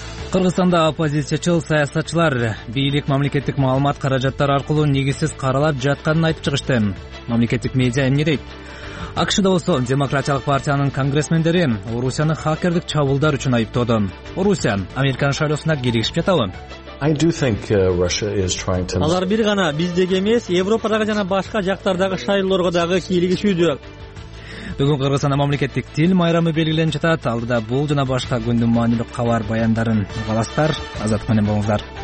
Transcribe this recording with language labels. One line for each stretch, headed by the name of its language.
Kyrgyz: Кыргызстанда оппозициячыл саясатчылар бийлик мамлекеттик маалымат каражаттары аркылуу негизсиз каралап жатканын айтып чыгышты. Мамлекеттик медиа эмне дейт? АКШ-да болсо Демократиялык партиянын конгрессмендери Орусияны хакердик чабуулдар үчүн айыптоду. Орусия Американын шайлоосуна киригишип жатабы?
English: I do think Russia is trying to.
Kyrgyz: Алар бир гана биздеги эмес, Европадагы жана башка жактардагы шайлоорго дагы кийлигишүүдө. Бүгүн Кыргызстанда мамлекеттик тил майрамы белгиленип жатат. Алдыда бул жана башка күндүн маанилүү кабар баяндарын угасыздар. Азат менен болуңуздар.